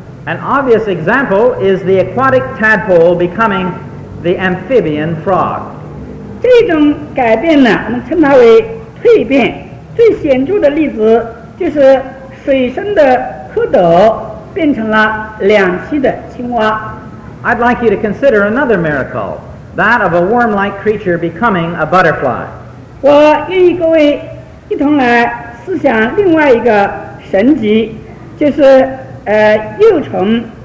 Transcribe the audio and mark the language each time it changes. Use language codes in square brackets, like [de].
[en] An obvious example is the aquatic tadpole becoming the amphibian frog. [zh] 这种改变呢，我们称它为蜕变。最显著的例子就是水生的蝌蚪变成了两栖的青蛙。 [en] I'd like you to consider another miracle, that of a worm-like creature becoming a butterfly. [zh] 我愿意各位一同来思想另外一个神迹，就是幼虫